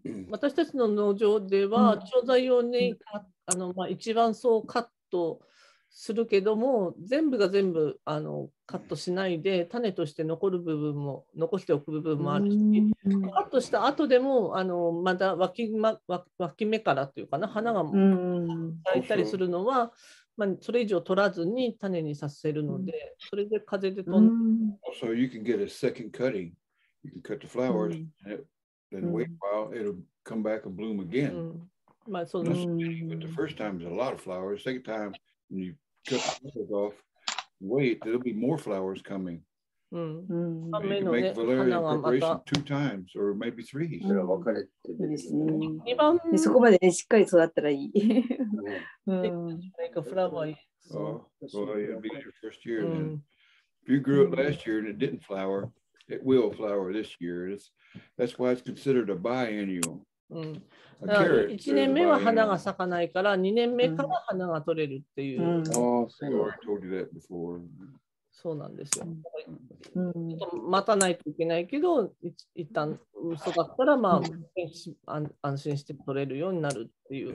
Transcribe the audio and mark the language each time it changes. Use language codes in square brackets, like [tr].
[ja] 私たちの農場では調剤用に、うん、あのまあ、一番そうカットするけども、全部が全部あのカットしないで、種として残る部分も残しておく部分もあるし、カットした後でもあのまだ脇芽からというかな、花が咲いたりするのは、うん、まあ、それ以上取らずに種にさせるので、うん、それで風で飛んで、 [en] うん、So you can get a second cutting. You can cut the flowers、うん、Then wait a while, it'll come back and bloom again.、 [ja] うん、まあ、そう、 [en] but the first time is a lot of flowers. Second time, when you cut the flowers off, wait, there'll be more flowers coming.、うん、 you can make valerian preparation two times, or maybe three. [ja] それは分かれてるですね。二番、でそこまで、ね、しっかり育ったらいい。 [en] Make a flower. Oh, it'll be your first year.、うん、if you grew it last year and it didn't flower,It will flower this year. That's why it's considered a biennial. A carrot. [ja] 1年目は花が咲かないから、2年目から花が取れるっていう。 [en] Oh, so I told you that before. [ja] そうなんですよ。ちょっと待たないといけないけど、一旦育ったら、まあ、安心して取れるようになるっていう。